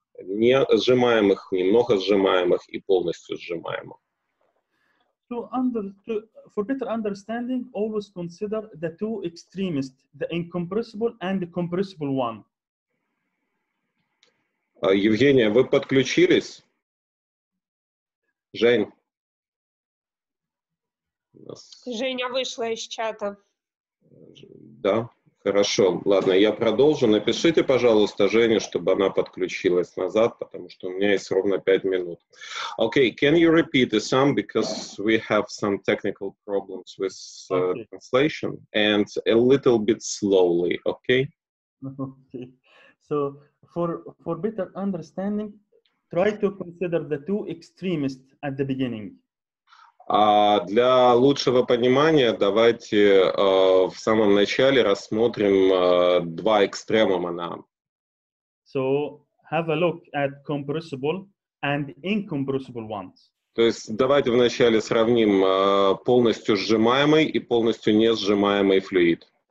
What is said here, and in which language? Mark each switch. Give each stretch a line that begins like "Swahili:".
Russian: Не сжимаемых, немного сжимаемых и полностью сжимаемых.
English: For better understanding, always consider the two extremes, the incompressible and the compressible one.
Russian: Евгения, вы подключились? Жень? Женя вышла из чата. Да, хорошо. Ладно, я продолжу. Напишите, пожалуйста, Жене, чтобы она подключилась назад, потому что у меня есть ровно 5 минут.
English: Okay, can you repeat the sum, because we have some technical problems with translation, and a little bit slowly, okay? Okay. So, For better understanding, try to consider the two extremists at the beginning.
Russian: А для лучшего понимания давайте в самом начале рассмотрим два экстремума нам.
English: So have a look at compressible and incompressible ones.
Russian: То есть давайте вначале сравним полностью сжимаемый и полностью не сжимаемый флюид.